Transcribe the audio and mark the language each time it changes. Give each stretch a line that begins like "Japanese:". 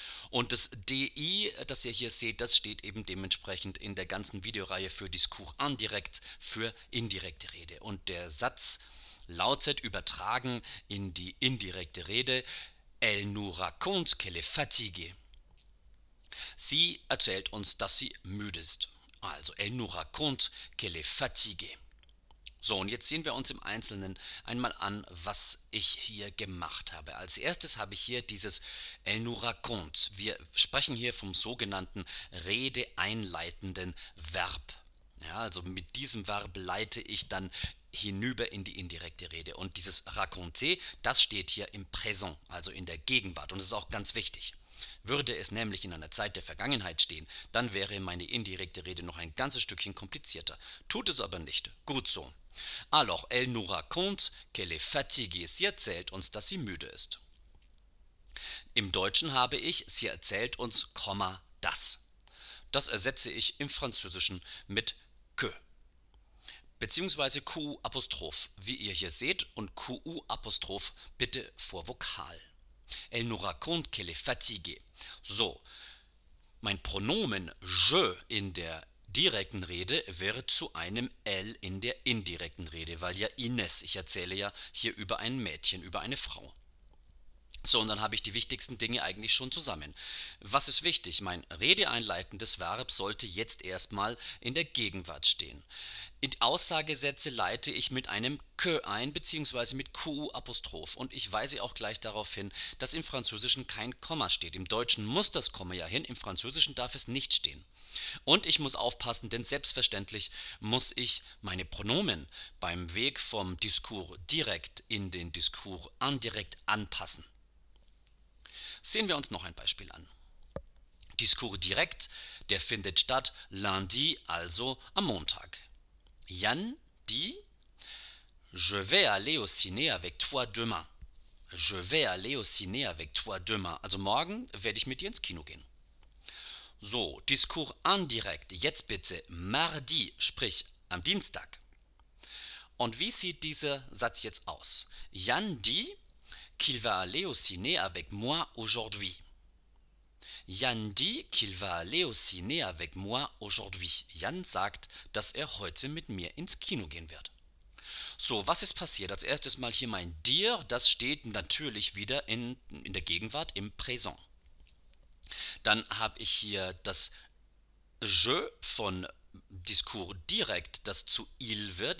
German: Und das DI, das ihr hier seht, das steht eben dementsprechend in der ganzen Videoreihe für Discours indirekt, für indirekte Rede. Und der Satz lautet, übertragen in die indirekte Rede,
French: elle nous raconte qu'elle est fatiguée.
German: Sie erzählt uns, dass sie müde ist. Also,
French: elle nous raconte qu'elle est fatiguée.
German: So, und jetzt sehen wir uns im Einzelnen einmal an, was ich hier gemacht habe. Als erstes habe ich hier dieses
French: Elle nous raconte.
German: Wir sprechen hier vom sogenannten redeeinleitenden Verb. Ja, also mit diesem Verb leite ich dann hinüber in die indirekte Rede. Und dieses raconter, das steht hier im Präsent, also in der Gegenwart. Und das ist auch ganz wichtig. Würde es nämlich in einer Zeit der Vergangenheit stehen, dann wäre meine indirekte Rede noch ein ganzes Stückchen komplizierter. Tut es aber nicht. Gut so.
French: Alors, elle nous raconte qu'elle est fatiguée.
German: Sie erzählt uns, dass sie müde ist. Im Deutschen habe ich, sie erzählt uns, Komma, das. Das ersetze ich im Französischen mit que. Beziehungsweise qu' Apostroph, wie ihr hier seht, und qu' Apostroph bitte vor Vokal.
French: Elle nous raconte qu'elle est fatiguée.
German: So, mein Pronomen je in der direkten Rede wird zu einem L in der indirekten Rede, weil ja Inès, ich erzähle ja hier über ein Mädchen, über eine Frau. So, und dann habe ich die wichtigsten Dinge eigentlich schon zusammen. Was ist wichtig? Mein redeeinleitendes Verb sollte jetzt erstmal in der Gegenwart stehen. In Aussagesätze leite ich mit einem que ein, beziehungsweise mit qu'. Und ich weise auch gleich darauf hin, dass im Französischen kein Komma steht. Im Deutschen muss das Komma ja hin, im Französischen darf es nicht stehen. Und ich muss aufpassen, denn selbstverständlich muss ich meine Pronomen beim Weg vom Discours direkt in den Discours indirekt anpassen. Sehen wir uns noch ein Beispiel an. Discours direct, der findet statt lundi, also am Montag.
French: Yann dit, je vais aller au ciné avec toi demain. Je vais aller au ciné avec toi demain.
German: Also morgen werde ich mit dir ins Kino gehen. So, Discours indirekt, jetzt bitte mardi, sprich am Dienstag. Und wie sieht dieser Satz jetzt aus?
French: Yann dit, qu'il va aller au ciné avec moi aujourd'hui. Yann dit qu'il va aller au ciné avec moi aujourd'hui.
German: Yann sagt, dass er heute mit mir ins Kino gehen wird. So, was ist passiert? Als erstes mal hier mein dir, das steht natürlich wieder in der Gegenwart im Präsent. Dann habe ich hier das je von Discours direkt, das zu il wird.